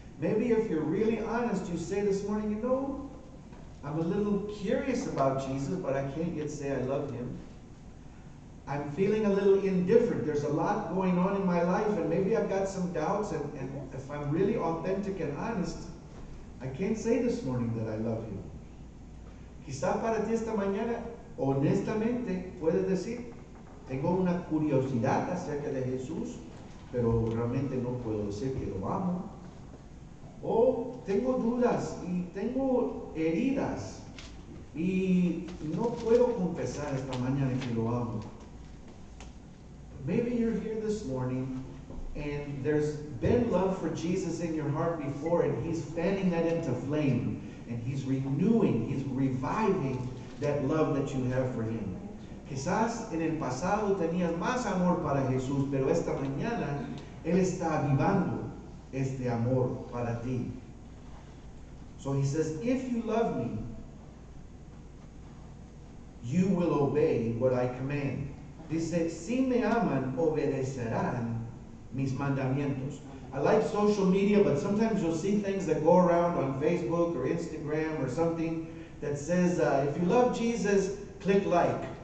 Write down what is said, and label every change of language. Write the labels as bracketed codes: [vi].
[en] Maybe if you're really honest, you say this morning, you know, I'm a little curious about Jesus, but I can't yet say I love him. I'm feeling a little indifferent. There's a lot going on in my life, and maybe I've got some doubts, and if I'm really authentic and honest, I can't say this morning that I love you. [es] Quizá para ti esta mañana, honestamente puedes decir, tengo una curiosidad acerca de Jesús, pero realmente no puedo decir que lo amo. O tengo dudas y tengo heridas y no puedo confesar esta mañana que lo amo. [en] Maybe you're here this morning and there's been love for Jesus in your heart before, and he's fanning that into flame, and he's renewing, he's reviving that love that you have for him. [es] Quizás en el pasado tenías más amor para Jesús, pero esta mañana él está avivando este amor para ti. [en] So he says, if you love me, you will obey what I command. [es] Dice, si me aman, obedecerán mis mandamientos. [en] I like social media, but sometimes you'll see things that go around on Facebook or Instagram or something that says, if you love Jesus, click like.